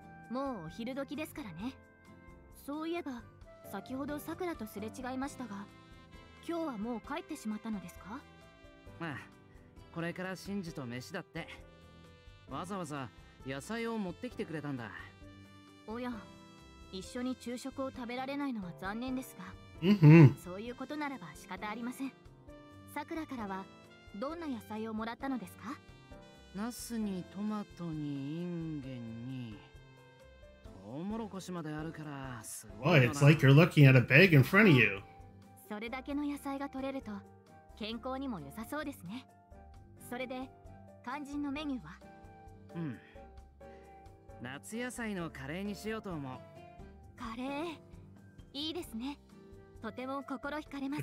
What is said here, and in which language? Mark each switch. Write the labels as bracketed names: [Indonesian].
[Japanese] もう昼時ですからね。そういえば、先ほどさくらとすれ違いましたが、今日はもう帰ってしまったのですか?ああ、これからシンジと飯だって。わざわざ野菜を持ってきてくれたんだ。おや、一緒に昼食を食べられないのは残念ですが。うんうん。そういうことならば仕方ありません。さくらからはどんな野菜をもらったのですか? ナスにトマトにインゲンにトウモロコシまであるからすごい。 [English] Oh, it's like you're looking at a bag in front of you. [Japanese] それだけの野菜が取れると健康にも良さそうですね。それで肝心のメニューは？うん。夏野菜のカレーにしようと思う。カレー、いいですね。とても心惹かれます。